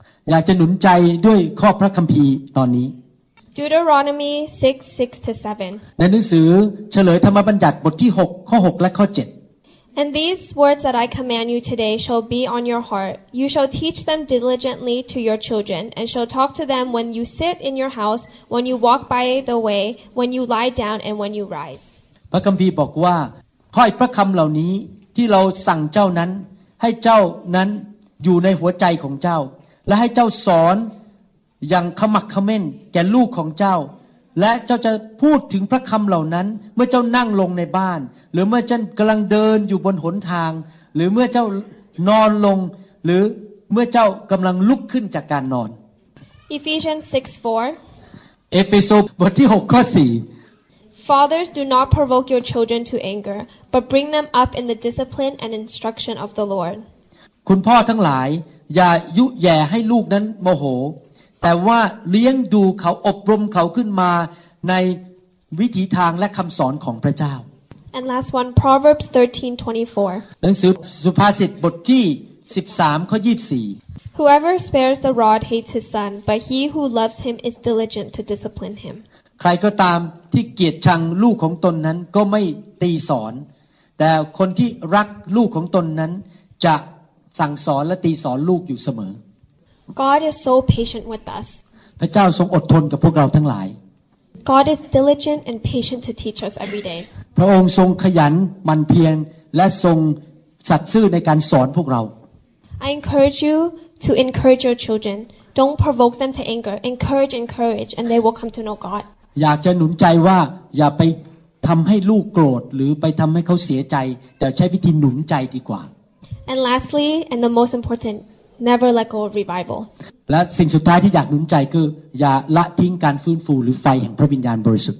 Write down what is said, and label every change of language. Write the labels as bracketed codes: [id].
[th] อยากจะหนุนใจด้วยข้อพระคัมภีร์ตอนนี้ [en] Deuteronomy 6:6-7 [th] ในหนังสือเฉลยธรรมบัญญัติบทที่6ข้อ6และข้อ7 [en] And these words that I command you today shall be on your heart you shall teach them diligently to your children and shall talk to them when you sit in your house when you walk by the way when you lie down and when you rise [th] พระคัมภีร์บอกว่าถ้อยพระคำเหล่านี้ที่เราสั่งเจ้านั้นให้เจ้านั้นอยู่ในหัวใจของเจ้าและให้เจ้าสอนอย่างขมักขม้นแก่ลูกของเจ้าและเจ้าจะพูดถึงพระคำเหล่านั้นเมื่อเจ้านั่งลงในบ้านหรือเมื่อเจ้ากำลังเดินอยู่บนหนทางหรือเมื่อเจ้านอนลงหรือเมื่อเจ้ากำลังลุกขึ้นจากการนอน [en] Ephesians 6:4 [th] เอเฟซัสบทที่6ข้อ4 [en] Fathers do not provoke your children to anger but bring them up in the discipline and instruction of the Lord [th] คุณพ่อทั้งหลายอย่ายุแย่ให้ลูกนั้นโมโหแต่ว่าเลี้ยงดูเขาอบรมเขาขึ้นมาในวิถีทางและคำสอนของพระเจ้า [en] And last one Proverbs 13:24 [th] หนังสือสุภาษิตบทที่13ข้อ24 [en] Whoever spares the rod hates his son but he who loves him is diligent to discipline him [th] ใครก็ตามที่เกลียดชังลูกของตนนั้นก็ไม่ตีสอนแต่คนที่รักลูกของตนนั้นจะ สั่งสอนและตีสอนลูกอยู่เสมอ [en] God is so patient with us [th] พระเจ้าทรงอดทนกับพวกเราทั้งหลาย [en] God is diligent and patient to teach us every day [th] พระองค์ทรงขยันหมั่นเพียรและทรงสัตย์ซื่อในการสอนพวกเรา [en] I encourage you to encourage your children don't provoke them to anger encourage and they will come to know God [th] อยากจะหนุนใจว่าอย่าไปทำให้ลูกโกรธหรือไปทำให้เขาเสียใจแต่ใช้วิธีหนุนใจดีกว่า [en] And lastly and the most important never let go of revival [th] และสิ่งสุดท้ายที่อยากหนุนใจคืออย่าละทิ้งการฟื้นฟูหรือไฟแห่งพระวิญญาณบริสุทธิ